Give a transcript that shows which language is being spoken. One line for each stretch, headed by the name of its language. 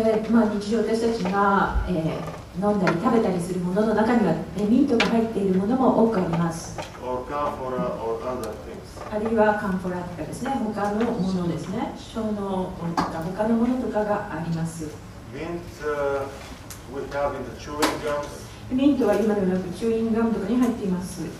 Japanese: まあ、日常私たちが、飲んだり食べたりするものの中には、ミントが入っているものも多くあります。
English: Or camphora or other things.
Japanese: あるいはカンフォラとかですね、他のものですね、小脳とか他のものとかがあります。
English: Mint, we have in the chewing gums.
Japanese: ミントは今でもよくチューインガムとかに入っています。